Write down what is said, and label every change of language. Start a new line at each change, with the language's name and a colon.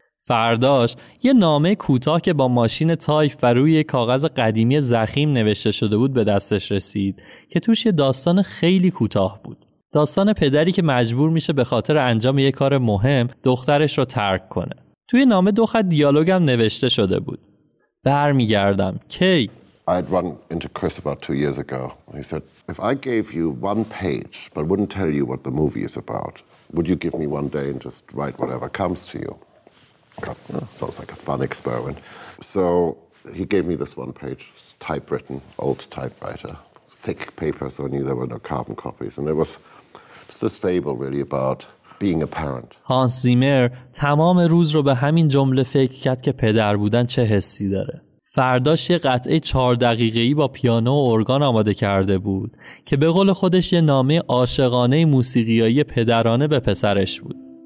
Persian: فرداش یه نامه کوتاه که با ماشین تایپ و روی کاغذ قدیمی ضخیم نوشته شده بود به دستش رسید که توش یه داستان خیلی کوتاه بود. داستان پدری که مجبور میشه به خاطر انجام یک کار مهم دخترش رو ترک کنه. توی نامه دو خط دیالوگم نوشته شده بود. برمیگردم. کی؟
English: I had run into Chris about 2 years ago. He said, if I gave you one page but wouldn't tell you what the movie is about, would you give me one day and just write whatever comes to you? God, sounds like a fun experiment. So he gave me this one page. It's typewritten, old typewriter. Thick paper, so I knew there were no carbon copies. And it was just this fable really about being a parent.
Persian: هانس زیمر تمام روز رو به همین جمله فکر کرد که پدر بودن چه حسی داره. فرداش یه قطعه 4 دقیقه‌ای با پیانو و ارگان آماده کرده بود که به قول خودش یه نامه عاشقانه موسیقیایی پدرانه به پسرش بود.